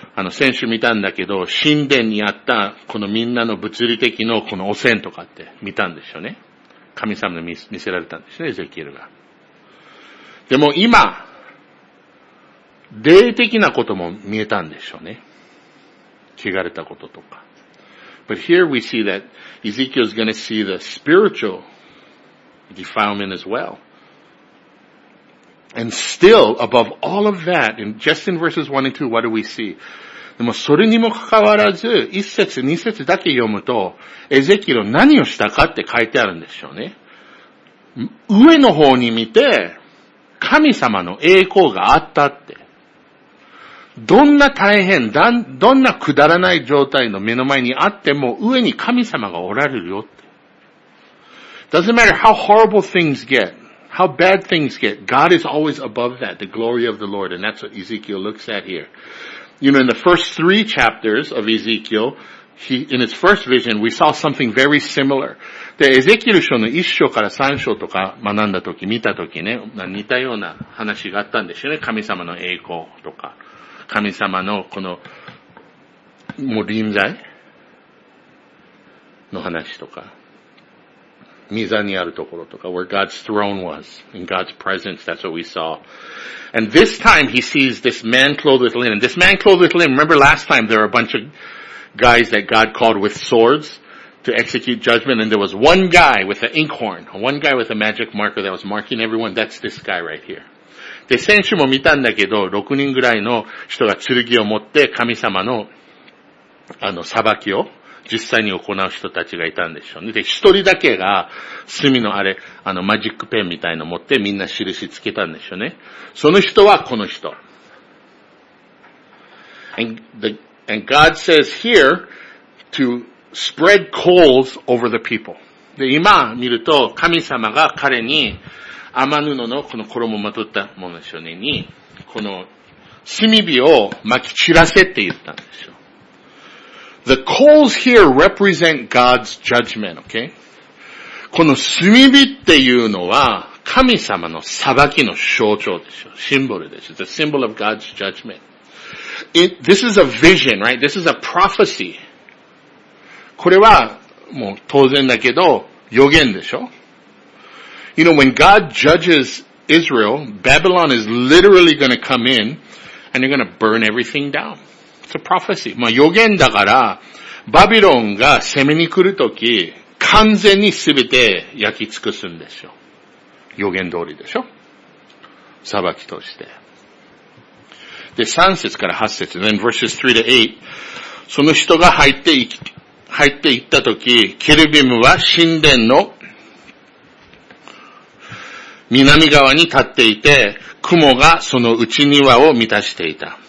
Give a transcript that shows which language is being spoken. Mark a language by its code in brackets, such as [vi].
[ja] 先週見たんだけど、神殿にあった、このみんなの物理的のこの汚染とかって見たんでしょうね。神様に見せられたんですね、エゼキエルが。でも今、霊的なことも見えたんでしょうね。汚れたこととか。 [en] But here we see that Ezekiel is going to see the spiritual defilement as well. And still, above all of that, in just in verses 1 and 2, what do we see? [ja] でもそれにもかかわらず、一節二節だけ読むと、エゼキエル何をしたかって書いてあるんでしょうね。上の方に見て、神様の栄光があったって。どんな大変、どんなくだらない状態の目の前にあっても、上に神様がおられるよって。 [en] Doesn't matter how horrible things get. how bad things get, God is always above that, the glory of the Lord. And that's what Ezekiel looks at here. You know, in the first three chapters of Ezekiel, he, in his first vision, we saw something very similar. [ja] で、エゼキエル書の1章から3章とか学んだとき、見たときね、似たような話があったんですよね。神様の栄光とか、神様のこの、もう臨在の話とか、溝にあるところとか、 [en] where God's throne was, in God's presence, that's what we saw. And this time he sees this man clothed with linen. This man clothed with linen, remember last time there were a bunch of guys that God called with swords to execute judgment, and there was one guy with an inkhorn, one guy with a magic marker that was marking everyone, that's this guy right here. [ja] で、先週も見たんだけど、6人ぐらいの人が剣を持って神様の、あの、裁きを実際に行う人たちがいたんでしょうね。で、一人だけが墨のあれ、あの、マジックペンみたいの持ってみんな印つけたんでしょうね。その人はこの人。 [en] And God says here to spread coals over the people. [ja] で、今見ると神様が彼に天布のこの衣をまとったものでしょうね。に、この炭火を巻き散らせって言ったんでしょう。 [en] The coals here represent God's judgment, okay? [ja] この炭火っていうのは神様の裁きの象徴でしょう。シンボルでしょ。 [en] It's a symbol of God's judgment. This is a vision, right? This is a prophecy. [ja] これはもう当然だけど予言でしょ。 [en] You know, when God judges Israel, Babylon is literally going to come in and they're going to burn everything down. It's a prophecy. [ja] まあ予言だから、バビロンが攻めに来るとき、完全に全て焼き尽くすんですよ。予言通りでしょ。裁きとして。で、3節から8節、 [en] then verses 3 to 8, [ja] その人が入っていったとき、ケルビムは神殿の南側に立っていて、雲がその内庭を満たしていた。